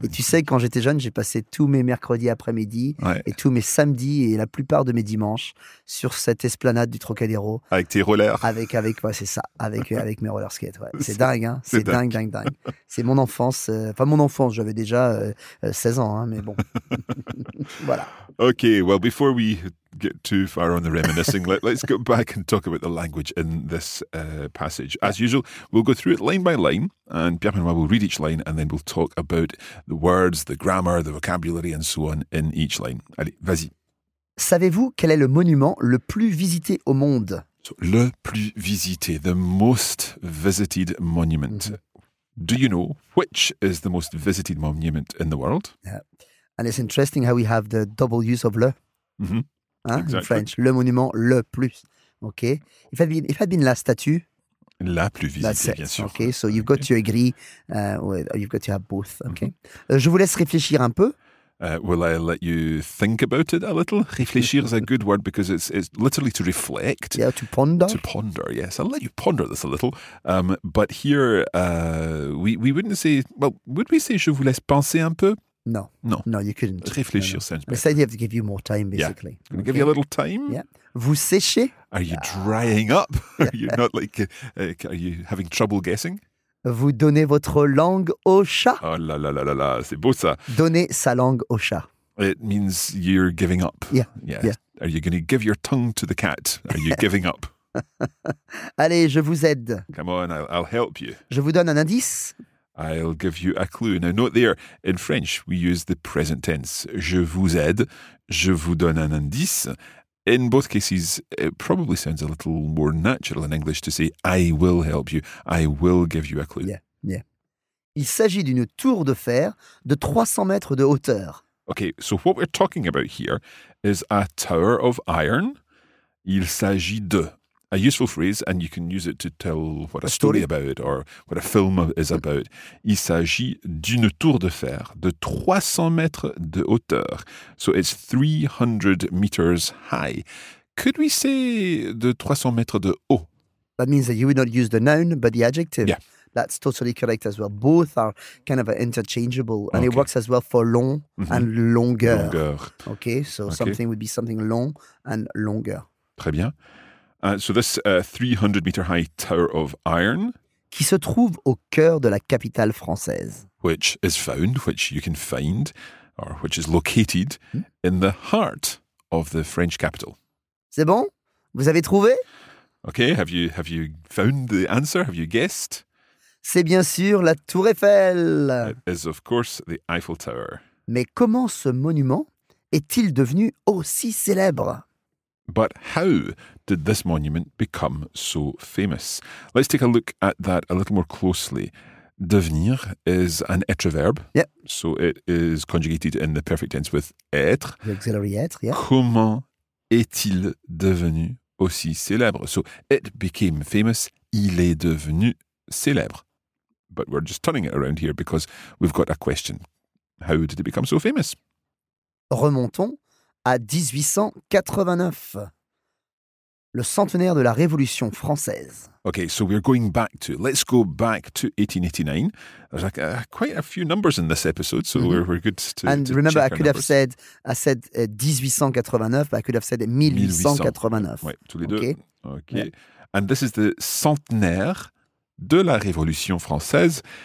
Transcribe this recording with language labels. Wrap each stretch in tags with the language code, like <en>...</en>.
<fr>Et tu sais, quand j'étais jeune, j'ai passé tous mes mercredis après-midi et tous mes samedis et la plupart de mes dimanches sur cette esplanade du Trocadéro. Avec tes rollers. Avec ouais, c'est ça. Avec mes</fr> <en>roller skates.</en> <fr>Ouais. C'est dingue, hein. C'est dingue. dingue. C'est mon enfance. Enfin, mon enfance. J'avais déjà 16 ans, hein, mais bon. Voilà. OK.</fr> <en>Well, before we get too far on the reminiscing, let's go back and talk about the language in this passage. As usual, we'll go through it line by line, and Pierre-Benoît will read each line, and then we'll talk about the words, the grammar, the vocabulary, and so on in each line.</en> <fr>Allez, vas-y. Savez-vous quel est le monument le plus visité au monde?</fr> <en>So,</en> <fr>le plus visité,</fr> <en>the most visited monument. Do you know which is the most visited monument in the world? Yeah. And it's interesting how we have the double use of le. Mm-hmm. Hein, exactly. In French,</en> <fr>le monument le plus.</fr> <en>OK. If had been</en> <fr>la statue. La plus visitée, bien sûr.</fr> <en>OK, so you've got to agree. You've got to have both. OK. Mm-hmm.</en> <fr>Je vous laisse réfléchir un peu.</fr> <en>Will I let you think about it a little? Réfléchir is a good word because it's literally to reflect. Yeah, to ponder. To ponder, yes. I'll let you ponder this a little. But here, we wouldn't say, well, would we say</en> <fr>je vous laisse penser un peu?</fr> <en>No. No. No, you couldn't. Réfléchir, sounds better. They said you have to give you more time, basically. Yeah. Okay. Give you a little time?</en> <fr>Yeah. Vous séchez?</fr> <en>Are you drying up? Are you not like, are you having trouble guessing?</en> <fr>Vous donnez votre langue au chat? Oh là là là là là, c'est beau ça. Donner sa langue au chat.</fr> <en>It means you're giving up. Yeah. Yeah. Yeah. Are you going to give your tongue to the cat? Are you giving up?</en> <fr>Allez, je vous aide.</fr> <en>Come on, I'll help you.</en> <fr>Je vous donne un indice.</fr> <en>I'll give you a clue. Now, note there, in French, we use the present tense.</en> <fr>Je vous aide. Je vous donne un indice.</fr> <en>In both cases, it probably sounds a little more natural in English to say, I will help you. I will give you a clue. Yeah, yeah.</en> <fr>Il s'agit d'une tour de fer de 300 mètres de hauteur.</fr> <en>Okay, so what we're talking about here is a tower of iron.</en> <fr>Il s'agit de...</fr> <en>A useful phrase, and you can use it to tell what a story about or what a film is about.</en> <fr>Il s'agit d'une tour de fer de 300 mètres de hauteur.</fr> <en>So it's 300 meters high. Could we say</en> <fr>de 300 mètres de haut?</fr> <en>That means that you would not use the noun, but the adjective. Yeah. That's totally correct as well. Both are kind of interchangeable. And okay. It works as well for long and longueur. Longueur. Okay, so something would be something long and longueur.</en> <fr>Très bien.</fr> <en>So this 300-meter-high tower of iron...</en> <fr>Qui se trouve au cœur de la capitale française.</fr> <en>Which is found, which you can find, or which is located in the heart of the French capital.</en> <fr>C'est bon? Vous avez trouvé?</fr> <en>Okay, have you found the answer? Have you guessed?</en> <fr>C'est bien sûr la Tour Eiffel.</fr> <en>It is, of course, the Eiffel Tower.</en> <fr>Mais comment ce monument est-il devenu aussi célèbre?</fr> <en>But how did this monument become so famous? Let's take a look at that a little more closely. Devenir is an être verb. Yep. So it is conjugated in the perfect tense with être. The auxiliary être, yeah.</en> <fr>Comment est-il devenu aussi célèbre?</fr> <en>So it became famous,</en> <fr>il est devenu célèbre.</fr> <en>But we're just turning it around here because we've got a question. How did it become so famous?</en> <fr>Remontons à 1889, le centenaire de la Révolution française.</fr> <en>Okay, so we're going back to, let's go back to 1889. There's like quite a few numbers in this episode, so we're good to check. And remember, I said 1889, but I could have said 1889.</en> <fr>Oui, tous les deux.</fr> <en>Okay. Yeah. And this is the</en> <fr>centenaire de la Révolution française.</fr>